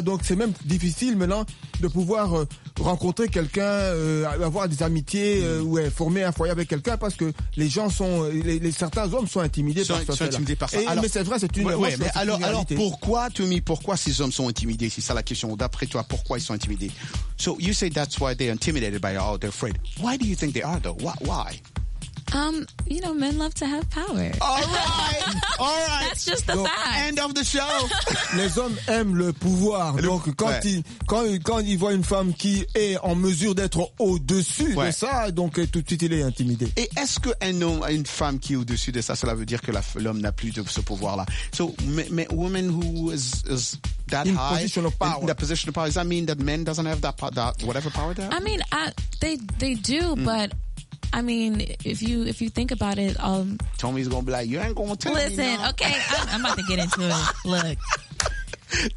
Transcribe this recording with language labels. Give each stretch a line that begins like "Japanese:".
French: Donc c'est même difficile maintenant de pouvoir rencontrer quelqu'un, avoir des amitiés ou former un foyer avec quelqu'un parce que les gens sont, certains hommes sont intimidés par ça. Alors, mais c'est vrai, c'est une réalité. Alors pourquoi, Tommy, pourquoi ces hommes sont intimidés? C'est ça la question. D'après toi, pourquoi ils sont intimidés?
English: So you say that's why they're intimidated by all their friends. Why do you think they are though? Why? You know, men love to have power. All right. That's just the fact. End of the show.
French: Les hommes aiment le pouvoir. Donc, quand ils voient une femme qui est en mesure d'être au-dessus de ça, donc tout de suite, il est intimidé. Et est-ce qu'un homme, une femme qui est au-dessus de ça, cela veut dire que l'homme n'a plus de ce pouvoir-là?
English: So, a woman who is that in high, position of power. In that position of power, does that mean that men doesn't have that whatever power they have? I mean, they do, but... I mean, if you think about it, Tommy's gonna be like, you ain't gonna tell listen, me. Listen, okay, I'm about to get into it. Look,